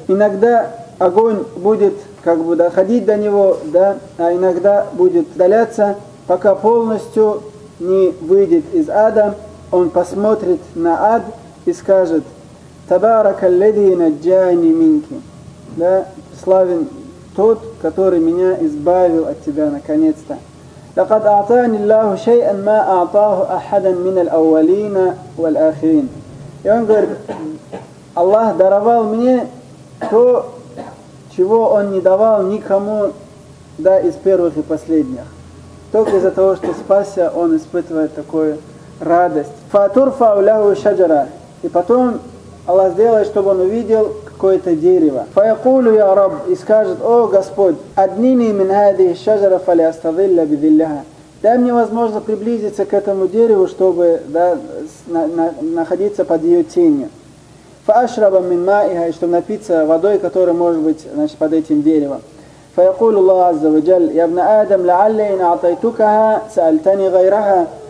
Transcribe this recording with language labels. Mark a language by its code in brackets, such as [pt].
[ru] Иногда огонь будет как бы доходить до него, да, а иногда будет удаляться, пока полностью не выйдет из ада. Он посмотрит на ад и скажет, [ar] تَبَارَكَ الَّذِي نَجَّانِ مِنْكِ. [ru] Да, славен тот, который меня избавил от тебя наконец-то. [ar] لقد أعطاني الله شيئا ما أعطاه أحدا من الأولين والآخرين. [ru] И он говорит, Аллах даровал мне то, чего он не давал никому, да, из первых и последних. Только из-за того, что спасся, он испытывает такую радость. [ar] فَتُرْفَعُ لَهُ شَجَرًا. [ru] И потом Аллах сделает, чтобы он увидел какое-то дерево. [ar] فَيَقُولُ يَا رَبْ. [ru] И скажет, о Господь, [ar] أَدْنِنِي مِنْ هَذِهِ الشَّجَرَ فَلْيَسْتَظِلَّ بِذِلَّهَ. [ru] Дай мне возможность приблизиться к этому дереву, чтобы, да, находиться под ее тенью. [ar] فَأَشْرَبَ مِنْ مَائِهَا. [ru] И чтобы напиться водой, которая может быть, значит, под этим деревом. [ar] فَيَقُولُ اللَّهُ عَزَّ وَجَلَّ يَا ابْنَ آدَمْ لَعَلَّ إِنْ أَعْطَيْتُكَهَا سَأَلْتَنِي غَيْرَهَا.